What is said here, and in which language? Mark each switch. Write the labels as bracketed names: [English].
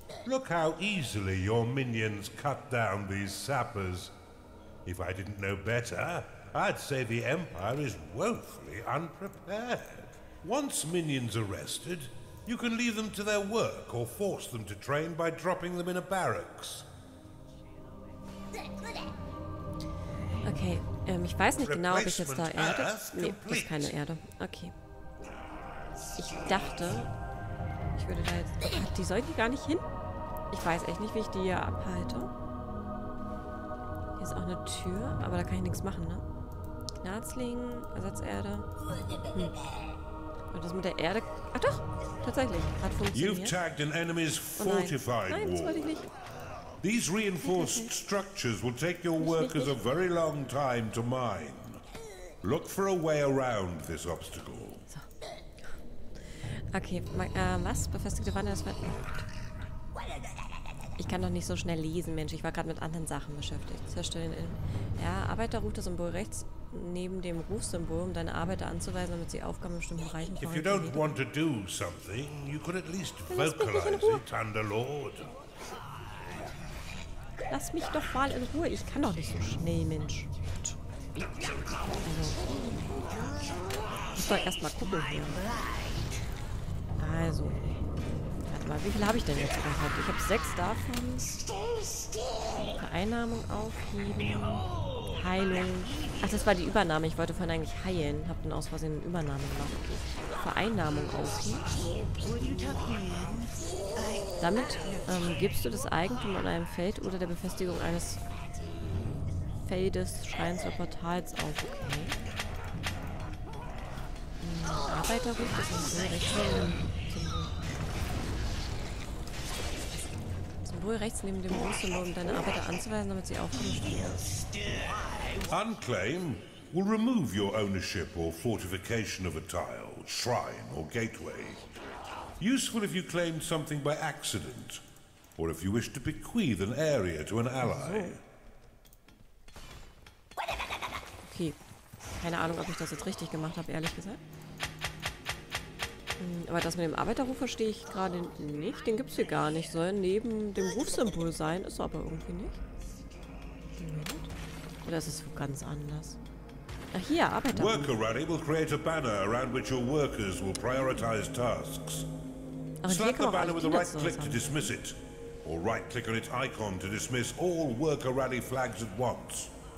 [English] Look how easily your minions cut down these sappers. If I didn't know better, I'd say the Empire is woefully unprepared. Once minions are rested, you can leave them to their work or force them to train by dropping them in a barracks. Okay. [German] Ich weiß nicht genau, ob ich jetzt da Erde... Nee, das ist keine Erde. Okay. Ich dachte, ich würde da jetzt... Oh Gott, die soll ich hier gar nicht hin? Ich weiß echt nicht, wie ich die hier abhalte. Hier ist auch eine Tür, aber da kann ich nichts machen, ne? Knarzling, Ersatzerde. Und das mit der Erde... Ach doch, tatsächlich, hat funktioniert. [English] You've tagged an enemy's fortified wall. [German] Nein, das wollte ich nicht. [English] These reinforced structures will take your workers a very long time to mine. Look for a way around this obstacle. [German] So. Okay, was? Befestigte Wanne ist mit. Ich kann doch nicht so schnell lesen, Mensch. Ich war gerade mit anderen Sachen beschäftigt. Zerstören in. Ja, Arbeiter ruft das Symbol rechts neben dem Rufsymbol, um deine Arbeiter anzuweisen, damit sie Aufgaben in bestimmten Bereichen vorhanden. [English] If you don't want to do something, you could at least vocalize it, Thunderlord. [German] Lass mich doch mal in Ruhe. Ich kann doch nicht so schnell, Mensch. Also, muss doch erstmal gucken hier. Also. Warte mal, wie viel habe ich denn jetzt gehabt? Ich habe 6 davon. Vereinnahmung aufheben. Heilung. Ach, das war die Übernahme. Ich wollte vorhin eigentlich heilen. Hab dann aus Versehen eine Übernahme gemacht. Okay. Vereinnahmung aufheben. Damit gibst du das Eigentum an einem Feld oder der Befestigung eines Feldes, Schreins oder Portals auf. Okay. Arbeiterruf, das ist ein Symbol rechts neben dem Symbol, um deine Arbeiter anzuweisen, damit sie aufkommen. [English] Unclaim will remove your ownership or fortification of a tile, shrine or gateway. Useful if you claim something by accident or if you wish to bequeath an area to an ally. Okay. [German] Keine Ahnung, ob ich das jetzt richtig gemacht habe, ehrlich gesagt. Aber das mit dem Arbeiterruf verstehe ich gerade nicht. Den gibt es hier gar nicht. Soll neben dem Rufsymbol sein, ist aber irgendwie nicht. Moment. Oder ist es ganz anders? Ach hier, Arbeiterruf. [English] Worker Rally will create a banner around which your workers will prioritize tasks. Slap the banner with the right click to dismiss it. or right-click on its icon to dismiss all worker rally flags at once.